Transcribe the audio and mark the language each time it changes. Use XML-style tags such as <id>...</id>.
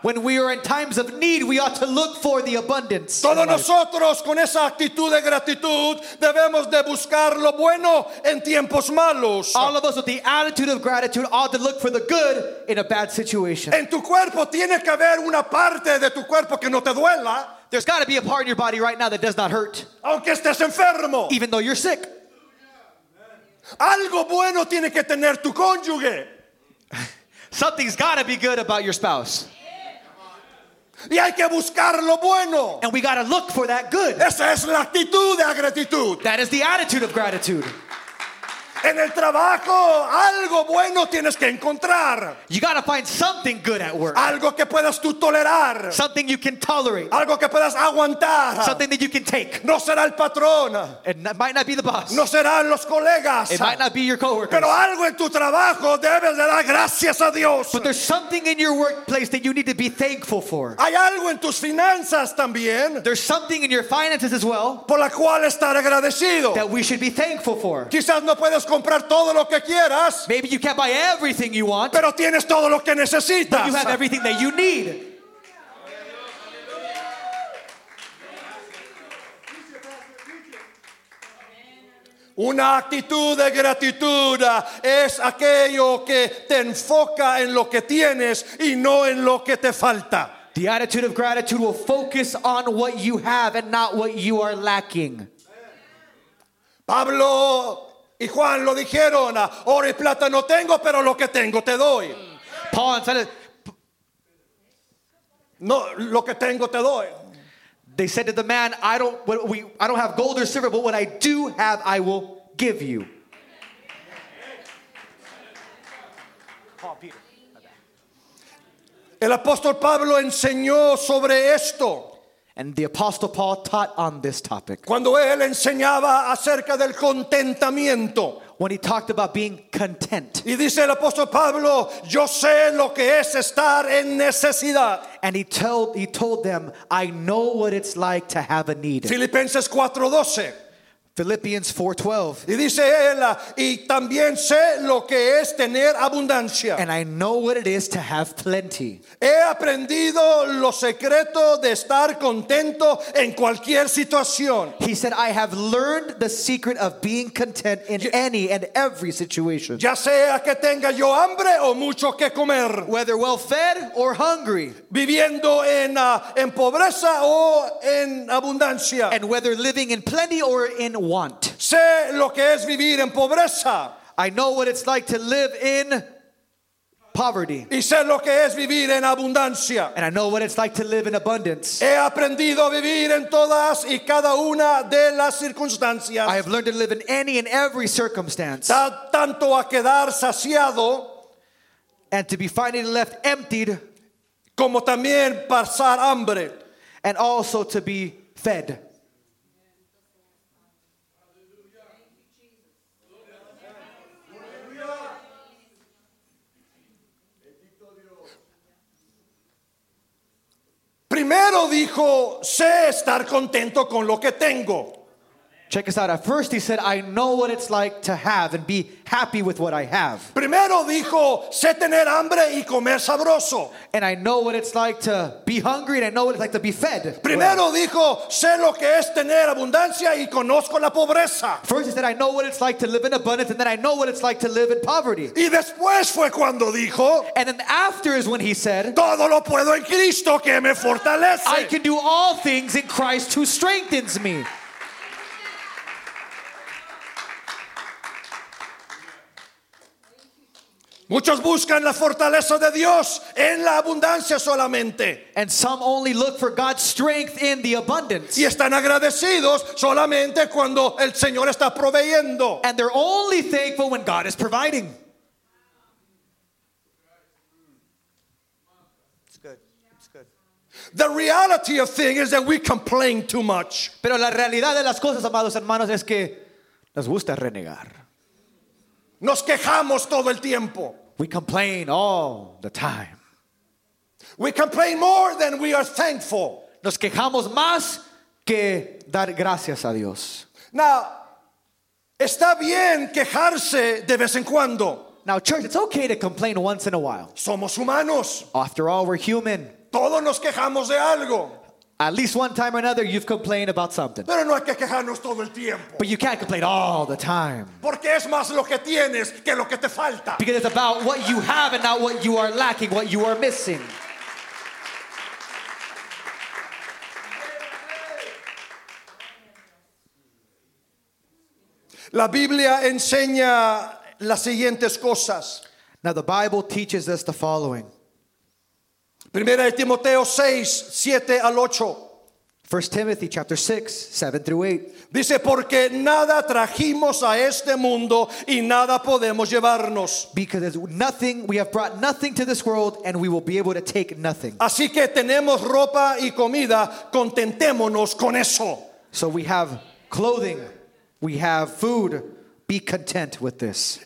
<en>When we are in times of need, we ought to look for the abundance.</en> <es>Todos nosotros con esa actitud de gratitud debemos de buscar lo bueno en tiempos malos.</es> <en>All of us with the attitude of gratitude ought to look for the good in a bad situation.</en> <es>En tu cuerpo tiene que haber una parte de tu cuerpo que no te duela.</es> <en>There's got to be a part in your body right now that does not hurt.</en> <es>Aunque estés enfermo.</es> <en>Even though you're sick.</en> <es>Algo bueno tiene que tener tu cónyuge.</es> <en>Something's got to be good about your spouse.</en> <es>Y hay que buscar lo bueno.</es> <en>And we got to look for that good.</en> <es>Esa es la actitud de gratitud.</es> <en>That is the attitude of gratitude.</en> <es>En el trabajo, algo bueno tienes que encontrar.</es> <en>You gotta find something good at work.</en> <es>Algo que puedas tú tolerar.</es> <en>Something you can tolerate.</en> <es>Algo que puedas aguantar.</es> <en>Something that you can take.</en> <es>No será el patrón.</es> <en>It might not be the boss.</en> <es>No serán los colegas.</es> <en>It might not be your coworkers.</en> <es>Pero algo en tu trabajo debes de dar gracias a Dios.</es> <en>But there's something in your workplace that you need to be thankful for.</en> <es>Hay algo en tus finanzas también.</es> <en>There's something in your finances as well.</en> <es>Por la cual estar agradecido.</es> <en>That we should be thankful for.</en> <es>Quizás no puedas comprar todo lo que quieras.</es> <en>Maybe you can't buy everything you want.</en> <es>Pero tienes todo lo que necesitas.</es> <en>But you have everything that you need.</en> <es>Una actitud de gratitud es aquello que te enfoca en lo que tienes y no en lo que te falta.</es> <en>The attitude of gratitude will focus on what you have and not what you are lacking.</en> <es>Pablo y Juan lo dijeron, oro y plata no tengo, pero lo que tengo te doy.</es> <en>Paul and Silas,</en> <es>no, lo que tengo te doy.</es> <en>They said to the man, I don't have gold or silver, but what I do have, I will give you. Paul, Peter.</en> <es>El apóstol Pablo enseñó sobre esto.</es> <en>And the apostle Paul taught on this topic.</en> <es>Cuando él enseñaba acerca del contentamiento.</es> <en>When he talked about being content.</en> <es>Y dice el apóstol Pablo, yo sé lo que es estar en necesidad.</es> <en>And he told them, I know what it's like to have a need.</en> <es>Filipenses 4:12.</es> <en>Philippians 4:12.</en> <es>Y dice él, y también sé lo que es tener abundancia.</es> <en>And I know what it is to have plenty.</en> <es>He aprendido lo secreto de estar contento en cualquier situación.</es> <en>He said, I have learned the secret of being content in any and every situation.</en> <es>Ya sea que tenga yo hambre o mucho que comer.</es> <en>Whether well fed or hungry.</en> <es>Viviendo en pobreza o en abundancia.</es> <en>And whether living in plenty or in want.</en> <es>Sé lo que es vivir en pobreza.</es> <en>I know what it's like to live in poverty.</en> <es>Y sé lo que es vivir en abundancia.</es> <en>And I know what it's like to live in abundance.</en> <es>He aprendido a vivir en todas y cada una de las circunstancias.</es> <en>I have learned to live in any and every circumstance.</en> <es>Tanto a quedar saciado.</es> <en>And to be finally left emptied.</en> <es>Como también pasar hambre.</es> <en>And also to be fed.</en> <es>Primero dijo, sé estar contento con lo que tengo.</es> <en>Check this out. At first he said, I know what it's like to have and be happy with what I have.</en> <es>Primero dijo, sé tener hambre y comer sabroso.</es> <en>And I know what it's like to be hungry and I know what it's like to be fed.</en> <es>Primero dijo, sé lo que es tener abundancia y conozco la pobreza.</es> <en>First he said, I know what it's like to live in abundance and then I know what it's like to live in poverty.</en> <es>Y después fue cuando dijo,</es> <en>and then after is when he said,</en> <es>todo lo puedo en Cristo que me fortalece.</es> <en>I can do all things in Christ who strengthens me.</en> <es>Muchos buscan la fortaleza de Dios en la abundancia solamente.</es> <en>And some only look for God's strength in the abundance.</en> <es>Y están agradecidos solamente cuando el Señor está proveyendo.</es> <en>And they're only thankful when God is providing. The reality of thing is that we complain too much.</en> <es>Pero la realidad de las cosas, amados hermanos, es que nos gusta renegar. Nos quejamos todo el tiempo.</es> <en>We complain all the time. We complain more than we are thankful.</en> <es>Nos quejamos más que dar gracias a Dios. Now, está bien quejarse de vez en cuando.</es> <en>Now, church, it's okay to complain once in a while.</en> <es>Somos humanos.</es> <en>After all, we're human.</en> <es>Todos nos quejamos de algo.</es> <en>At least one time or another, you've complained about something.</en> <es>Pero no hay que quejarnos todo el tiempo.</es> <en>But you can't complain all the time.</en> <es>Porque es más lo que tienes que lo que te falta.</es> <en>Because it's about what you have and not what you are lacking, what you are missing.</en> <es>La Biblia enseña las siguientes cosas.</es> <en>Now the Bible teaches us the following.</en> <es>Primera de Timoteo 6, 7 al 8.</es> <en>1 Timothy chapter 6, 7 through 8.</en> <es>Dice, porque nada trajimos a este mundo y nada podemos llevarnos.</es> <en>Because nothing, we have brought nothing to this world and we will be able to take nothing.</en> <es>Así que tenemos ropa y comida, contentémonos con eso. So we have clothing, we have food, be content with this.</es>